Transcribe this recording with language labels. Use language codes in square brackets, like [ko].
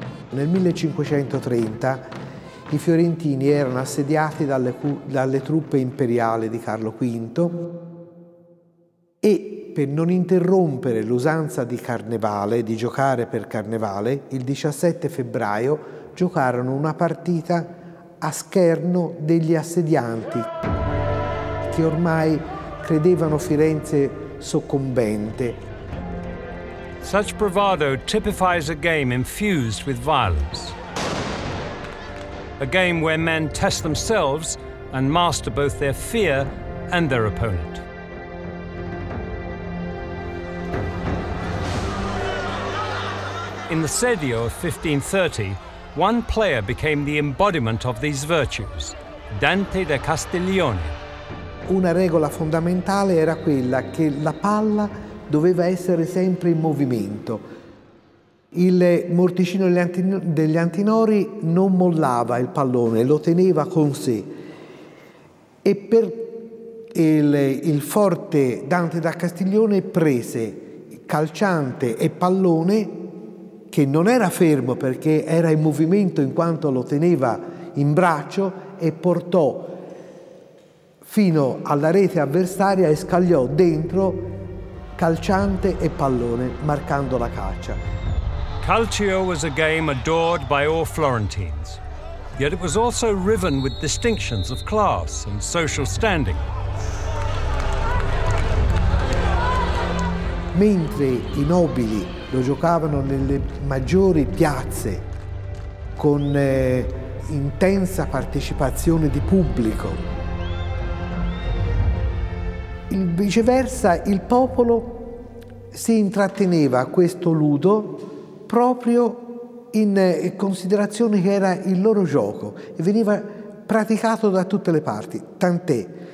[it] Nel 1530 i fiorentini erano assediati dalle truppe imperiali di Carlo V e per non interrompere l'usanza di carnevale, di giocare per carnevale, il 17 febbraio giocarono una partita a scherno degli assedianti che ormai credevano Firenze soccombente. [en] Such bravado typifies a game infused with violence. A game where men test themselves and master both their fear and their opponent. In the Sedio of 1530, one player became the embodiment of these virtues, Dante de Castiglione. [it] Una regola fondamentale era quella che la palla doveva essere sempre in movimento. Il morticino degli Antinori non mollava il pallone, lo teneva con sé. E per il forte Dante da Castiglione prese calciante e pallone, che non era fermo perché era in movimento in quanto lo teneva in braccio, e portò fino alla rete avversaria e scagliò dentro calciante e pallone, marcando la caccia. [en] Calcio was a game adored by all Florentines, yet it was also riven with distinctions of class and social standing. [it] Mentre i nobili lo giocavano nelle maggiori piazze con intensa partecipazione di pubblico, viceversa il popolo si intratteneva a questo ludo proprio in considerazione che era il loro gioco e veniva praticato da tutte le parti, tant'è